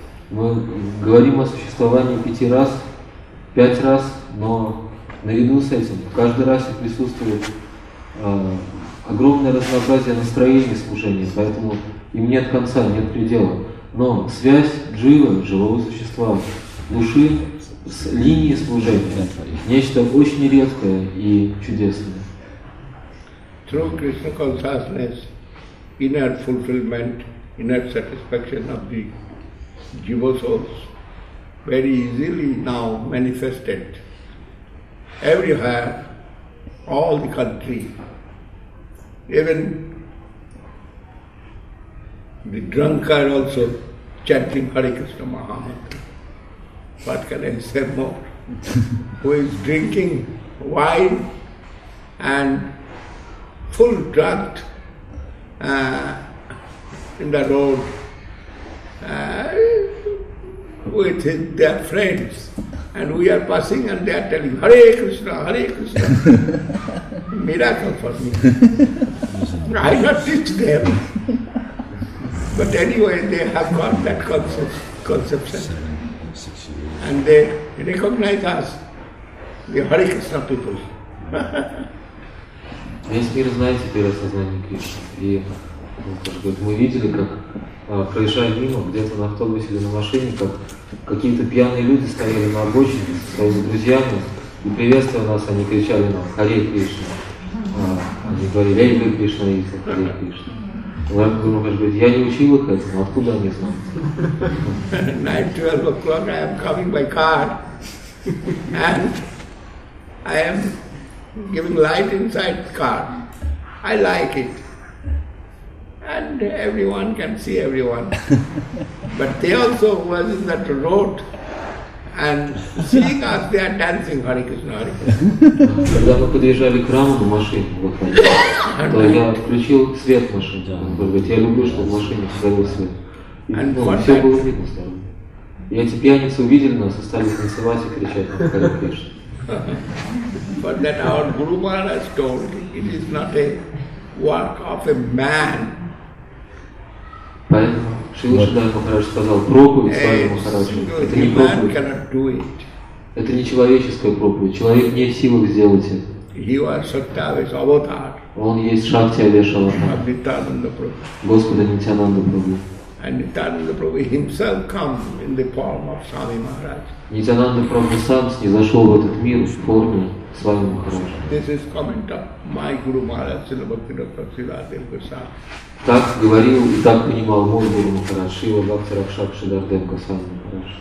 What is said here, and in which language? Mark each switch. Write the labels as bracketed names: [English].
[Russian] Мы говорим о существовании пять раз, но наряду с этим каждый раз присутствует огромное разнообразие настроений служения, поэтому им нет конца, нет предела. Но связь джива, живого существа, души с линией служения – нечто очень редкое и чудесное. [English] Through Krishna consciousness, inner fulfillment, inner satisfaction of the jiva souls very easily now manifested everywhere, all the country. Even the drunkard also chanting Hare Krishna Mahamantra. What can I say more? Who is drinking wine and full drunk in the road with their friends, and we are passing and they are telling Hare Krishna, Hare Krishna. Miracle for me. I not teach them. But anyway, they have got that conception. And they recognize us, the Hare Krishna people. [Russian] Весь мир знает теперь о сознании Кришны. И мы видели, как проезжая мимо, где-то на автобусе или на машине, как какие-то пьяные люди стояли на обочине со своими друзьями и приветствуя нас, они кричали нам «Харе Кришна!». Они говорили «Эй, вы Кришна, и Харе Кришна!». Мы думаем, что я не учил их этому, откуда они знают? [English] 9-12 o'clock, I am coming by car. And I am giving light inside the car. I like it. And everyone can see everyone. But they also was in that road. And seeing us, they are dancing Hare Krishna, Hare Krishna. [Russian] Когда мы подъезжали к храму на машине, то я включил свет в машине. Он говорит, я люблю, чтобы в машине всегда свет. Все было видно в сторону. И эти пьяницы увидели нас и стали танцевать и кричать на Hare Krishna. [English] But then our Guru Maharaj told, it is not a work of a man. [Russian] Поэтому Шрила Шридхара Махарадж сказал, проповедь Саи Махараджа, это не проповедь. Это не человеческая проповедь. Человек не в силах сделать это. Он есть Шакти Авеша Аватар. Господа Нитянанда Прабху. [English] And Nityananda Prabhu himself comes in the form of Swami Maharaj. [Russian] Nityananda Prabhu сам снизошел в этот мир в форме Swami Maharaj. [English] This is comment of my Guru Maharaj, Srila Bhakti Rakshak Siddhartha Goswami. [Russian] Так говорил и так понимал мой Гуру Махарадж, Шрила Бхакти Ракшак Шидарден Госвами Махарадж.